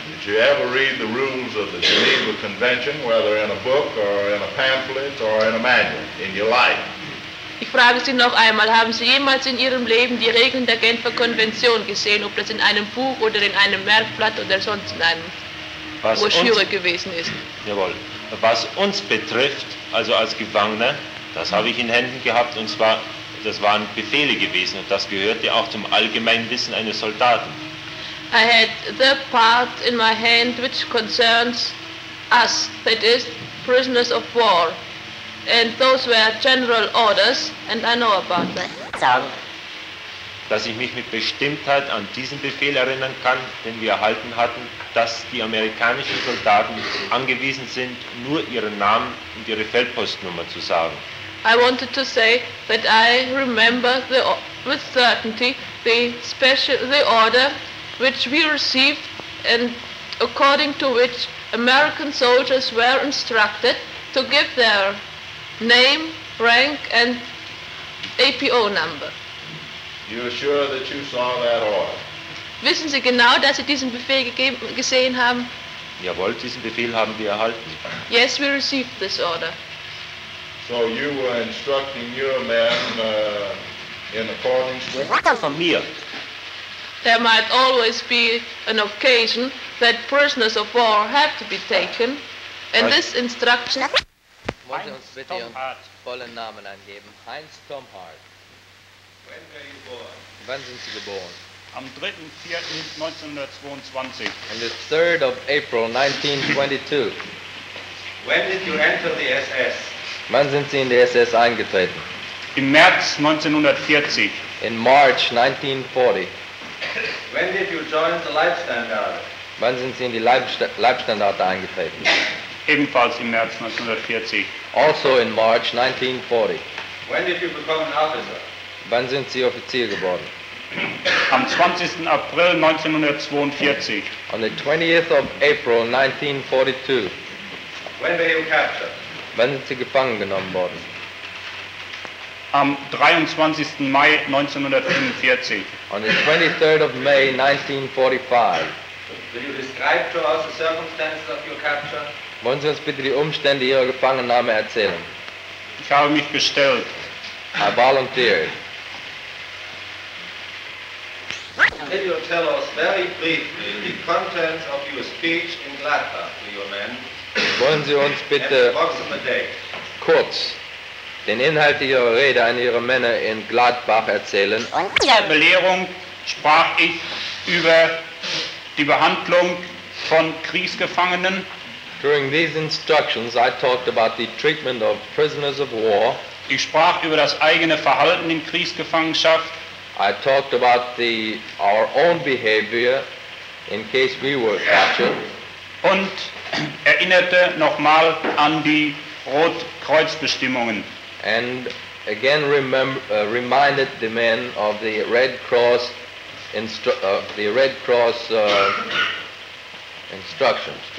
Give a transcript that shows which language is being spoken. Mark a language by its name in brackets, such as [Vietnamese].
[English] Did you ever read the rules of the Geneva Convention, whether in a book or in a pamphlet or in a manual, in your life? [German] Ich frage Sie noch einmal, haben Sie jemals in Ihrem Leben die Regeln der Genfer Konvention gesehen, ob das in einem Buch oder in einem Merkblatt oder sonst in einem Broschüre gewesen ist? Jawohl. Was uns betrifft, also als Gefangene, das habe ich in Händen gehabt, und zwar, das waren Befehle gewesen, und das gehörte auch zum allgemeinen Wissen eines Soldaten. [English] I had the part in my hand which concerns us, that is, prisoners of war. And those were general orders, and I know about that. [German] Sagen, dass ich mich mit Bestimmtheit an diesen Befehl erinnern kann, den wir erhalten hatten, dass die amerikanischen Soldaten angewiesen sind, nur ihren Namen und ihre Feldpostnummer zu sagen. [English] I wanted to say that I remember the, with certainty the special the order which we received and according to which American soldiers were instructed to give their name, rank and APO number. You're sure that you saw that order? [German] Wissen Sie genau, dass Sie diesen Befehl gesehen haben? Jawohl, diesen Befehl haben wir erhalten. [English] Yes, we received this order. So you were instructing your men in accordance with... For me. There might always be an occasion that prisoners of war have to be taken, and this instruction... [German] Wollen Sie uns bitte Ihren vollen Namen angeben? Heinz Tomhardt. [English] When were you born? [German] Wann sind Sie geboren? Am 3.4.1922. [English] On the 3rd of April 1922. When did you enter the SS? [German] Wann sind Sie in die SS eingetreten? Im März 1940. [English] In March 1940. When did you join the Leibstandarte? [German] Wann sind Sie in die Leibstandarte eingetreten? Ebenfalls im März 1940. [English] Also in March 1940. When did you become an officer? [German] Wann sind Sie Offizier geworden? Am 20. April 1942. [English] On the 20th of April 1942. When were you captured? [German] Wann sind Sie gefangen genommen worden? Am 23. Mai 1945. [English] On the 23rd of May 1945. Will you describe to us the circumstances of your capture? [German] Wollen Sie uns bitte die Umstände Ihrer Gefangennahme erzählen? Ich habe mich gestellt. [English] I volunteered. Will you tell us very briefly the contents of your speech in Gladbach to your men? [German] Wollen Sie uns bitte kurz den Inhalt Ihrer Rede an Ihre Männer in Gladbach erzählen? In der Belehrung sprach ich über die Behandlung von Kriegsgefangenen. [English] During these instructions I talked about the treatment of prisoners of war. [German] Ich sprach über das eigene Verhalten in Kriegsgefangenschaft. [English] I talked about the, our own behavior in case we were captured. [German] Und erinnerte nochmal an die Rotkreuzbestimmungen. [English] And again reminded the men of the Red Cross instructions.